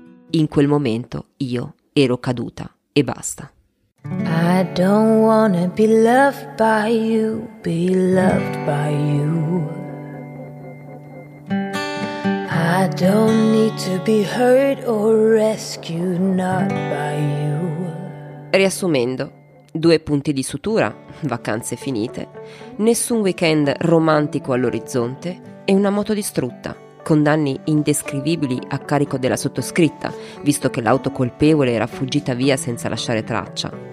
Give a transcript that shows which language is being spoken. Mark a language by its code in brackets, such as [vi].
[it] In quel momento io ero caduta e basta. [en] I don't wanna be loved by you, be loved by you. I don't need to be hurt or rescued, not by you. [it] Riassumendo, 2 punti di sutura, vacanze finite, nessun weekend romantico all'orizzonte e una moto distrutta, con danni indescrivibili a carico della sottoscritta, visto che l'auto colpevole era fuggita via senza lasciare traccia.